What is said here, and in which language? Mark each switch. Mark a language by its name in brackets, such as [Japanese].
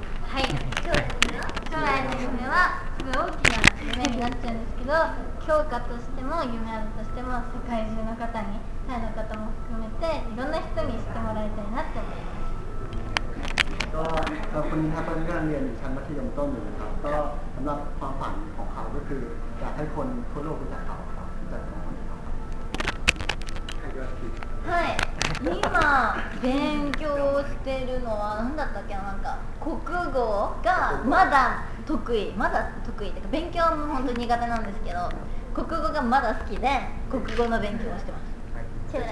[Japanese] はい、将来の夢はすごい大きな夢になっちゃうんですけど、教科としても夢あるとしても世界中の方に、タイの方も含めていろんな人に知ってもらいたいなって思います。 [Thai] ก็คนนี้ครับตอนนี้กำลังเรียนอยู่ชั้นมัธยมต้นอยู่นะครับก็สำหรับความฝันของเขาก็คืออยากให้คนทั่วโลกรู้จักเขาครับจากตรงนี้ครับ [Japanese] はい、今勉強してるのは何だったっけ、なんか国語がまだ得意、まだ得意ってか勉強も本当に苦手なんですけど、国語がまだ好きで国語の勉強をしてます。